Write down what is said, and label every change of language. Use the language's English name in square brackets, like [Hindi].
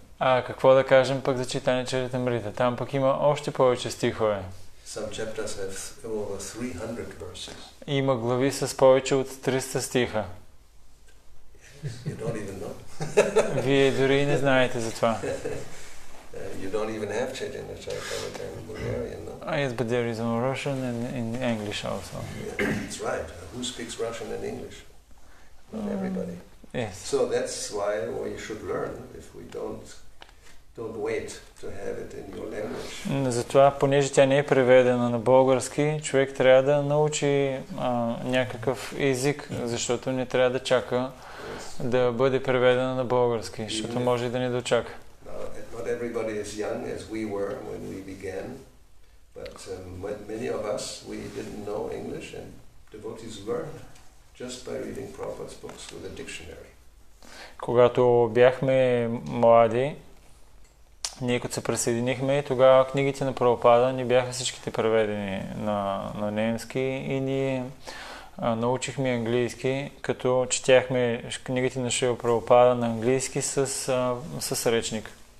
[Bulgarian] А какво да кажем пък за Chaitanya Charitamrita? Там пък има още повече стихове. [English] Some chapters have over 300 verses. [Bulgarian] Има глави с повече от 300 стиха. [English] You don't even know. [Bulgarian] Вие дори не знаете за това. [English] You don't even have Chaitanya Charitamrita in Bulgarian, no? Ah, yes, but there is no Russian and in English also. Yeah, that's right. Who speaks Russian and English? Not everybody. Yes. So that's why we should learn if we don't wait to have it in your language. [Bulgarian] Затова, понеже тя не е преведена на български, човек трябва да научи някакъв език, защото не трябва да чака да бъде преведена на български, защото може и да не дочака. [English] Not everybody is young as we were when we began, but many of us, we didn't know English, and devotees learned just by reading Prabhupada's books with a dictionary. [Bulgarian] Когато бяхме млади, ние като се присъединихме, тогава книгите на Прабхупада ни бяха всичките преведени на немски и ние научихме английски, като четяхме книгите на Шрила Прабхупада на английски с речник.